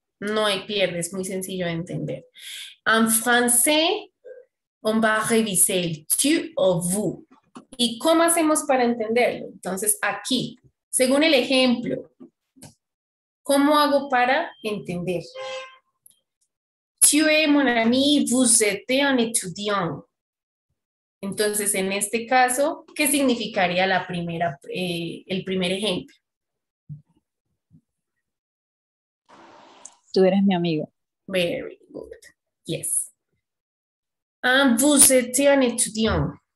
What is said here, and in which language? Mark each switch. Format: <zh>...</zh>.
<es>No hay pierde, es muy sencillo de entender. En francés,</es> <fr>on va</fr> <es>revisar el tu o vous. ¿Y cómo hacemos para entenderlo? Entonces, aquí, según el ejemplo, ¿cómo hago para entender?</es> <fr>Tu es mon ami, vous êtes un étudiant.</fr> <es>Entonces, en este caso, ¿qué significaría la primera, el primer ejemplo? Tú eres mi amigo.</es> <en>Very good. Yes.</en> <fr>Vous êtes un étudiant.</fr>